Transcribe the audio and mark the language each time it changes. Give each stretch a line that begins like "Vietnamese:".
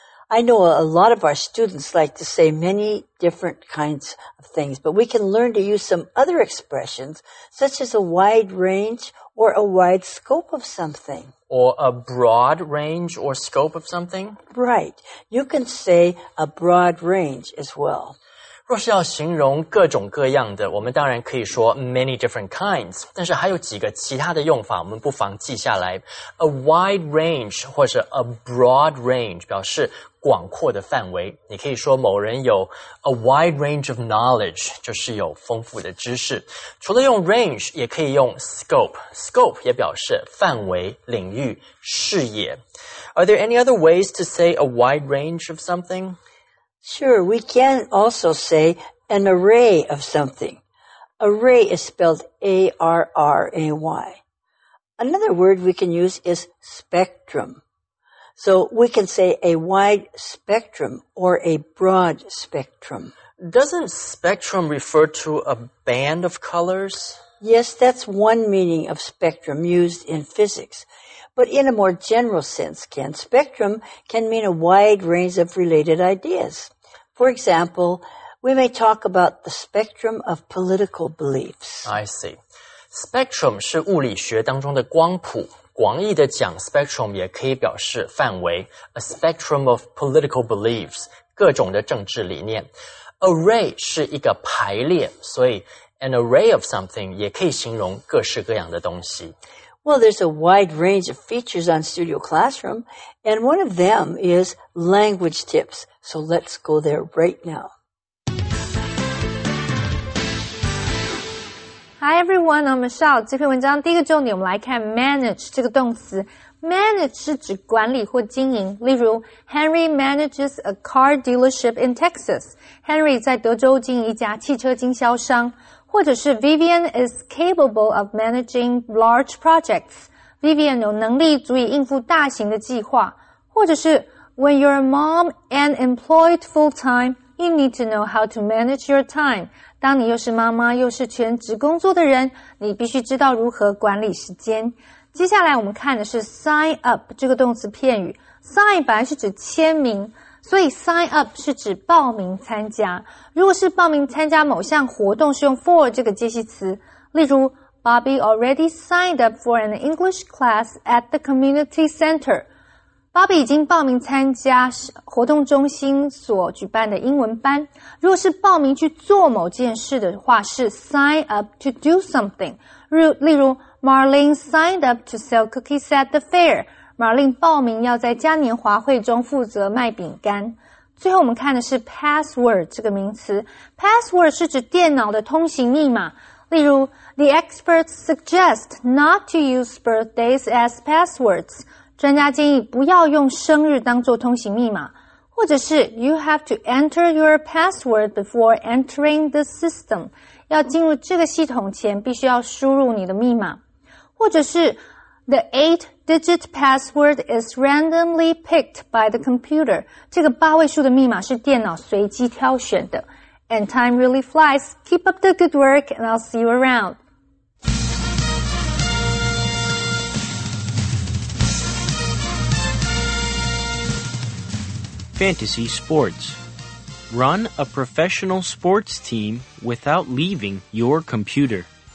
English: I know a lot of our students like to say many different kinds of things, but we can learn to use some other expressions, such as a wide range or a wide scope of something. Or a broad range or scope of something? Right. You can say a broad range as well.
Chinese: 若是要形容各种各样的，我们当然可以说
English: many different kinds，
Chinese: 但是还有几个其他的用法我们不妨记下来。 A wide range 或是 a broad range 表示广阔的范围，你可以说某人有
English: a wide range of knowledge，
Chinese: 就是有丰富的知识。除了用 range， 也可以用 scope， scope 也表示范围、领域、视野。
English: Are there any other ways to say a wide range of something? Sure, we can also say an array of something. Array is spelled A-R-R-A-Y. Another word we can use is spectrum. So we can say a wide spectrum or a broad spectrum. Doesn't spectrum refer to a band of colors? Yes, that's one meaning of spectrum used in physics. But in a more general sense, Ken, spectrum can mean a wide range of related ideas. For example, we may talk about the spectrum of political beliefs. I see.
Chinese: Spectrum 是物理学当中的光谱。广义的讲 spectrum 也可以表示范围。
English: A spectrum of political beliefs,
Chinese: 各种的政治理念。 Array 是一个排列，所以 an array of something 也可以形容各式各样的东西。
English: Well, there's a wide range of features on Studio Classroom, and one of them is language tips. So let's go there right now. Hi, everyone. I'm Michelle.
Chinese: 这篇文章第一个重点，我们来看 manage 这个动词。
English: Manage
Chinese: 是指管理或经营，例如
English: Henry manages a car dealership in Texas.
Chinese: Henry 在德州经营一家汽车经销商。或者是
English: Vivian is capable of managing large projects.
Chinese: Vivian 有能力足以应付大型的计划。或者是
English: When you're a mom and employed full-time, you need to know how to manage your time.
Chinese: 当你又是妈妈又是全职工作的人，你必须知道如何管理时间。接下来我们看的是 sign up 这个动词片语。 Sign 本来是指签名，所以 sign up 是指报名参加。如果是报名参加某项活动，是用 for 这个介系词。例如
English: ，Bobby already signed up for an English class at the community center.
Chinese: Bobby 已经报名参加活动中心所举办的英文班。如果是报名去做某件事的话，是
English: sign up to do something.
Chinese: 例如
English: ，Marlene signed up to sell cookies at the fair.
Chinese: Marlene 报名要在嘉年华会中负责卖饼干。最后我们看的是 password 这个名词。password 是指电脑的通行密码。例如
English: ,the experts suggest not to use birthdays as passwords.
Chinese: 专家建议不要用生日当作通行密码。或者是
English: ,you have to enter your password before entering the system.
Chinese: 要进入这个系统前必须要输入你的密码。或者是
English: ,the eight-digit password is randomly picked by the computer.
Chinese: 这个八位数的密码是电脑随机挑选的。
English: And time really flies. Keep up the good work and I'll see you around. Fantasy Sports. Run a professional sports team without leaving your computer.